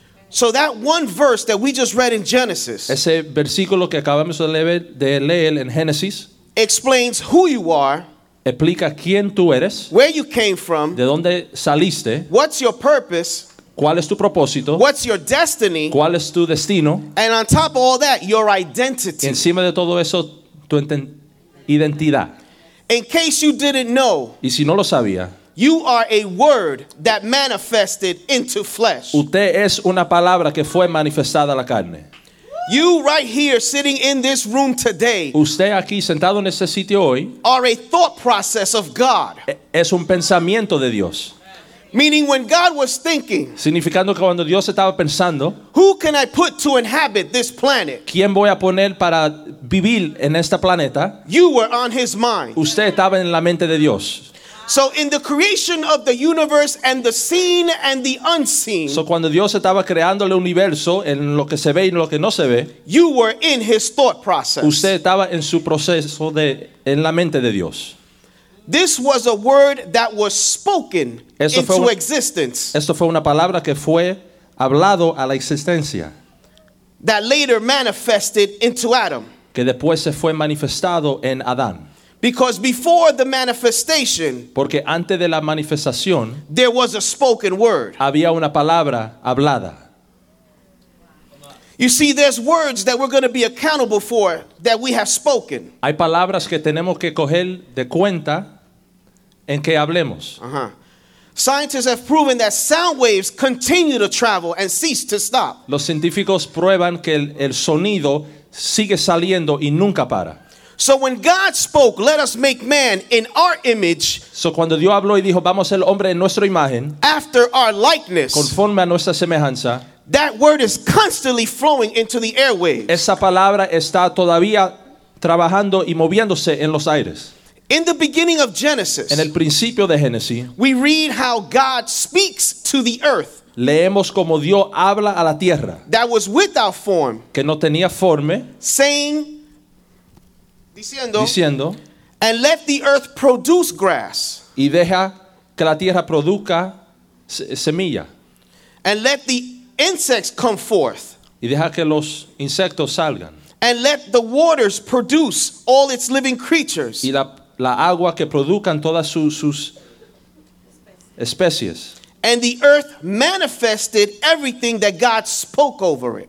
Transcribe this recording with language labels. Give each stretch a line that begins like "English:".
English: So that one verse that we just read in Genesis,
Spanish: ese versículo que acabamos de leer en Génesis,
English: explains who you are,
Spanish: explica quién tú eres,
English: where you came from,
Spanish: de dónde saliste,
English: what's your purpose,
Spanish: ¿cuál es tu propósito?
English: What's your destiny?
Spanish: ¿Cuál es tu destino?
English: And on top of all that, your identity.
Spanish: Encima de todo eso, tu identidad.
English: In case you didn't know,
Spanish: y si no lo sabía,
English: you are a word that manifested into flesh.
Spanish: Usted es una palabra que fue manifestada a la carne.
English: You right here sitting in this room today,
Spanish: usted aquí sentado en este sitio hoy,
English: are a thought process of God.
Spanish: Es un pensamiento de Dios.
English: Meaning when God was thinking,
Spanish: significando que cuando Dios estaba pensando,
English: who can I put to inhabit this planet?
Spanish: ¿Quién voy a poner para vivir en esta planeta?
English: You were on his mind.
Spanish: Usted estaba en la mente de Dios.
English: So in the creation of the universe and the seen and the unseen,
Spanish: so cuando Dios estaba creando el universo en lo que se ve y en lo que no se ve,
English: you were in his thought process.
Spanish: Usted estaba en su proceso de en la mente de Dios.
English: This was a word that was spoken
Spanish: esto
English: into existence.
Spanish: Esto fue una palabra que fue hablado a la existencia.
English: That later manifested into Adam.
Spanish: Que después se fue manifestado en Adán.
English: Because before the manifestation,
Spanish: porque antes de la manifestación,
English: there was a spoken word.
Spanish: Había una palabra hablada.
English: You see, there's words that we're going to be accountable for that we have spoken.
Spanish: Hay palabras que tenemos que coger de cuenta en que hablemos.
English: Scientists have proven that sound waves continue to travel and cease to stop.
Spanish: Los científicos prueban que el sonido sigue saliendo y nunca para.
English: So when God spoke, let us make man in our image.
Spanish: So cuando Dios habló y dijo, vamos a ser hombre en nuestra imagen.
English: After our likeness.
Spanish: Conforme a nuestra semejanza.
English: That word is constantly flowing into the airwaves.
Spanish: Esa palabra está todavía trabajando y moviéndose en los aires.
English: In the beginning of Genesis.
Spanish: En el principio de Génesis.
English: We read how God speaks to the earth.
Spanish: Leemos como Dios habla a la tierra.
English: That was without form.
Spanish: Que no tenía forma.
English: Saying.
Spanish: Diciendo,
English: and let the earth produce grass.
Spanish: Y deja que la tierra produzca semilla.
English: And let the insects come forth.
Spanish: Y deja que los insectos salgan.
English: And let the waters produce all its living creatures.
Spanish: Y la agua que produzcan todas sus especies.
English: And the earth manifested everything that God spoke over it.